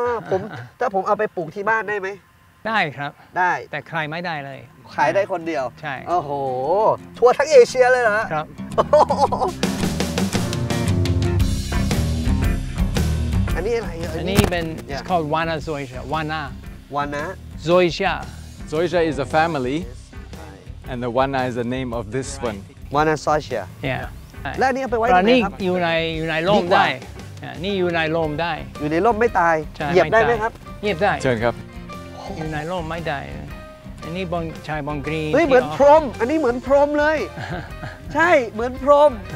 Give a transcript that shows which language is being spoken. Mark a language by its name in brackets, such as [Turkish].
[Thai] ผมถ้าผมเอาไปปลูกที่บ้านได้ไหม ได้ครับ ได้ แต่ใครไม่ได้เลย ขายได้คนเดียว ใช่ โอ้โหทั่วทั้งเอเชียเลยเหรอ ครับ อันนี้อะไร อันนี้เป็น [English] it's called Wana Zoysia Wana Zoysia Soysia is a family, and the Wana is the name of this one. Wana Soysia. Yeah. [Thai] แล้วนี่เอาไปไว้ที่ไหนครับ นี่อยู่ในร่มได้ นี่อยู่ในร่มได้ อยู่ในร่มไม่ตาย เหยียบได้ไหมครับ เหยียบได้ เชิญครับ อยู่ในร่มไม่ได้ อันนี้บนชายบนกรีน เฮ้ย เหมือนพรม อันนี้เหมือนพรมเลย ใช่ เหมือนพรม